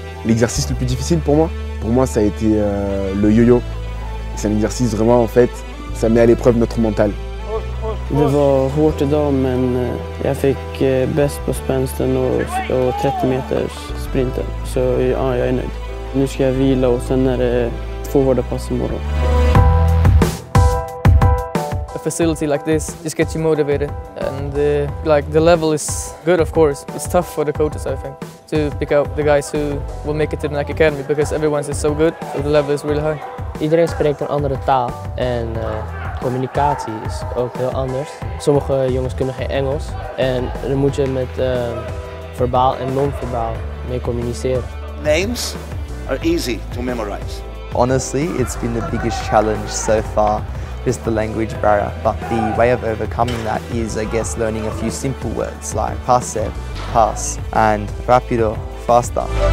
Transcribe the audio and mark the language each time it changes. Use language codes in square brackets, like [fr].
[fr] L'exercice le plus difficile pour moi, ça a été le yo-yo. C'est un exercice vraiment, en fait, ça met à l'épreuve notre mental. [sv] Det var hårt idag, men jag fick bäst på spänsten och 30 meters sprinten. Så ja, jag är nöjd. Nu ska jag vila och sen är det två hårda pass imorgon. [en] A facility like this just gets you motivated, and like the level is good, of course. It's tough for the coaches, I think, to pick out the guys who will make it to the Nike Academy because everyone's is so good, so the level is really high. [nl] Iedereen spreekt een andere taal en communicatie is ook heel anders. Sommige jongens kunnen geen Engels en dan moet je met verbaal en non-verbaal mee communiceren. [en] Names are easy to memorize. Honestly, it's been the biggest challenge so far. Just the language barrier, but the way of overcoming that is, I guess, learning a few simple words like passe, pass, and rapido, faster.